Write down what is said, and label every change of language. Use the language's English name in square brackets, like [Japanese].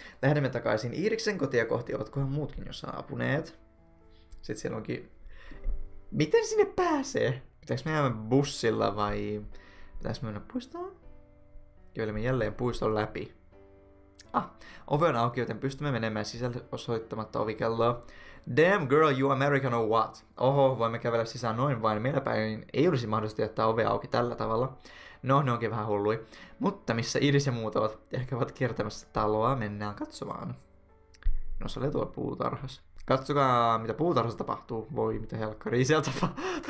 [Finnish] Lähdemme takaisin Iriksen kotia kohti. Ovatkohan muutkin jo saapuneet? Sit siellä onkin... Miten sinne pääsee? Pitääks me jäämme bussilla vai... Pitääks me mennä puistoon? Joilemme jälleen puiston läpi. Ah, ove on auki, joten pystymme menemään sisälle osoittamatta ovikelloa. [English] Damn girl, you American or what? [Finnish] Oho, voimme kävellä sisään noin vain. Meillä päin ei olisi mahdollista jättää ovea auki tällä tavalla. No, ne onkin vähän hullui. Mutta missä Iris ja muut ovat? Ehkä ovat kiertämässä taloa. Mennään katsomaan. No, se oli tuolla puutarhassa. Katsokaa, mitä puutarhassa tapahtuu. Voi, mitä helkkari siellä tapahtuu.